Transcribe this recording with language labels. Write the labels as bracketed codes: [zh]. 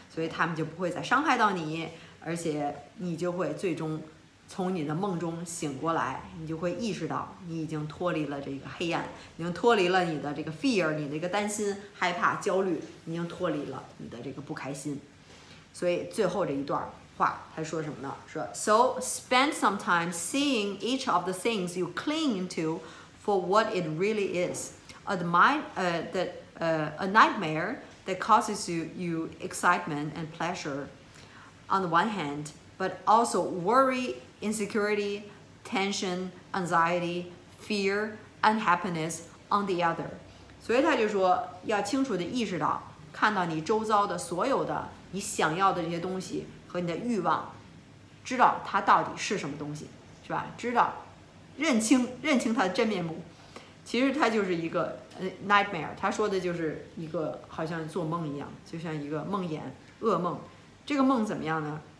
[zh] 所以他们就不会再伤害到你，而且你就会最终从你的梦中醒过来，你就会意识到你已经脱离了这个黑暗，已经脱离了你的这个 fear， 你的一个担心、害怕、焦虑，已经脱离了你的这个不开心。所以最后这一段话他说什么呢？说 [en] So spend some time seeing each of the things you cling to for what it really is. A nightmare that causes you excitement and pleasure on the one hand, but also worry,insecurity, tension, anxiety, fear, unhappiness on the other. [zh] 所以他就说要清楚地意识到看到你周遭的所有的你想要的这些东西和你的欲望，知道它到底是什么东西，是吧？知道认清它的真面目。其实它就是一个 nightmare， 他说的就是一个好像做梦一样，就像一个梦魇噩梦。这个梦怎么样呢？